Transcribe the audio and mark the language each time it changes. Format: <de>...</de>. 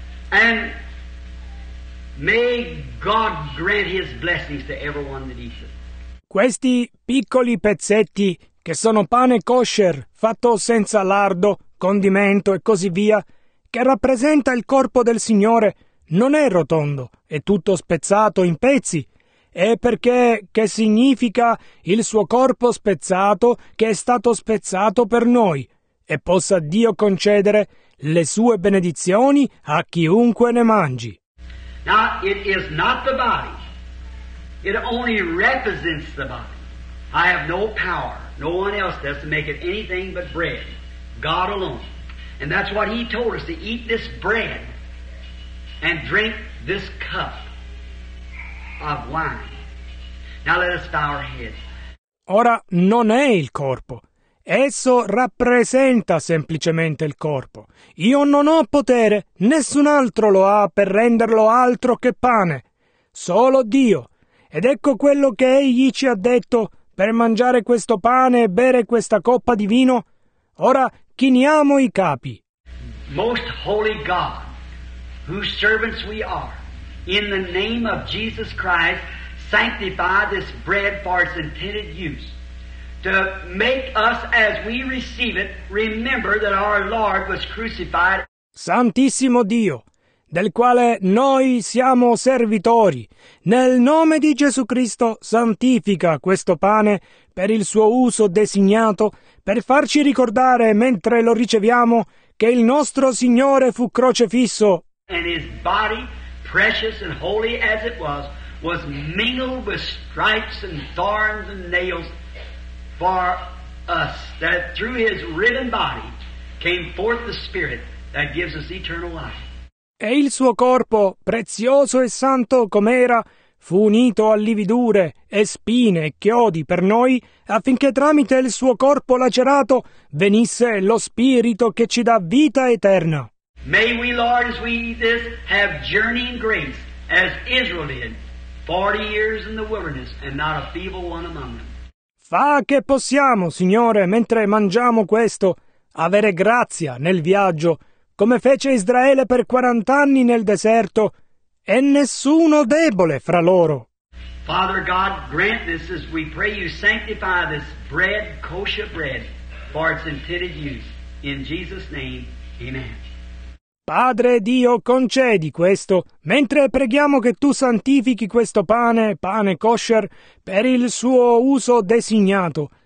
<en>And may God grant his blessings to everyone that eats it.</en> <it>Questi piccoli pezzetti che sono pane kosher, fatto senza lardo, condimento e così via, che rappresenta il corpo del Signore, non è rotondo, è tutto spezzato in pezzi, è perché che significa il suo corpo spezzato che è stato spezzato per noi, e possa Dio concedere le sue benedizioni a chiunque ne mangi.</it> <en>Now, it is not the body. It only represents the body. I have no power, no one else does, to make it anything but bread. God alone. And that's what he told us, to eat this bread and drink this cup of wine. Now let us bow our heads.</en> <it>Ora non è il corpo. Esso rappresenta semplicemente il corpo. Io non ho potere, nessun altro lo ha per renderlo altro che pane. Solo Dio. Ed ecco quello che egli ci ha detto per mangiare questo pane e bere questa coppa di vino. Ora chiniamo i capi.</it> <en>Most holy God, whose servants we are, in the name of Jesus Christ, sanctify this bread for its intended use. To make us, as we receive it, remember that our Lord was crucified.</en> <it>Santissimo Dio, del quale noi siamo servitori, nel nome di Gesù Cristo santifica questo pane per il suo uso designato, per farci ricordare mentre lo riceviamo che il nostro Signore fu crocefisso.</it> <en>And his body, precious and holy as it was mingled with stripes and thorns and nails. For us, that through his riven body came forth the Spirit that gives us eternal life.</en> <it>E il suo corpo, prezioso e santo com'era, fu unito a lividure e spine e chiodi per noi, affinché tramite il suo corpo lacerato venisse lo Spirito che ci dà vita eterna.</it> <en>May we, Lord, as we eat this, have journeying grace, as Israel did, 40 years in the wilderness, and not a feeble one among them.</en> <it>Fa che possiamo, Signore, mentre mangiamo questo, avere grazia nel viaggio, come fece Israele per 40 anni nel deserto, e nessuno debole fra loro.</it> <en>Father God, grant this as we pray you sanctify this bread, kosher bread, for its intended use. In Jesus' name, amen.</en> <it>Padre Dio, concedi questo, mentre preghiamo che tu santifichi questo pane, pane kosher, per il suo uso designato.</it>